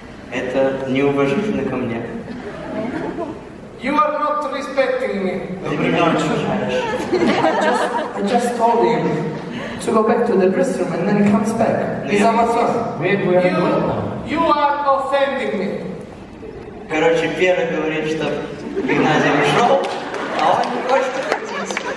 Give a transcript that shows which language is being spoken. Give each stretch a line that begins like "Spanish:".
Russian: Это неуважительно ко мне.
English: You are not respecting me. I just told him to go back to the dressing room and then he comes back. Is that what's wrong? You are offending me.
Russian: Короче, Пьера говорит, что Игнатий ушел, а он не хочет вернуться.